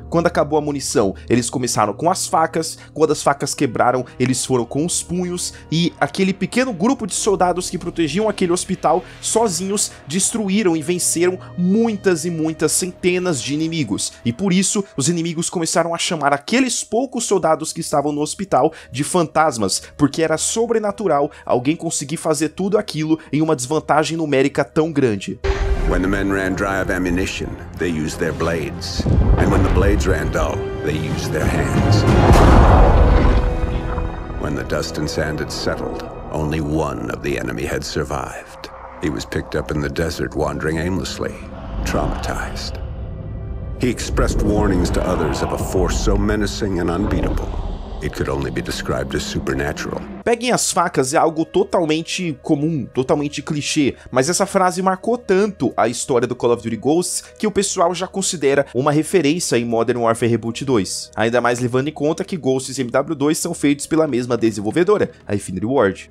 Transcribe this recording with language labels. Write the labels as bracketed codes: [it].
[pt] Quando acabou a munição, eles começaram com as facas. Quando as facas quebraram, eles foram com os punhos e aquele pequeno grupo de soldados que protegiam aquele hospital sozinhos destruíram e venceram muitas e muitas centenas de inimigos. E por isso, os inimigos começaram a chamar aqueles poucos soldados que estavam no hospital de fantasmas, porque era sobrenatural alguém conseguir fazer tudo aquilo em uma desvantagem numérica tão grande. [en] When the men ran dry of ammunition, they used their blades. And when the blades ran dull, they used their hands. When the dust and sand had settled, only one of the enemy had survived. He was picked up in the desert, wandering aimlessly, traumatized. He expressed warnings to others of a force so menacing and unbeatable. It could only be described as supernatural. [pt] Peguem as facas é algo totalmente comum, totalmente clichê, mas essa frase marcou tanto a história do Call of Duty Ghosts que o pessoal já considera uma referência em Modern Warfare Reboot 2. Ainda mais levando em conta que Ghosts e MW2 são feitos pela mesma desenvolvedora, a Infinity Ward.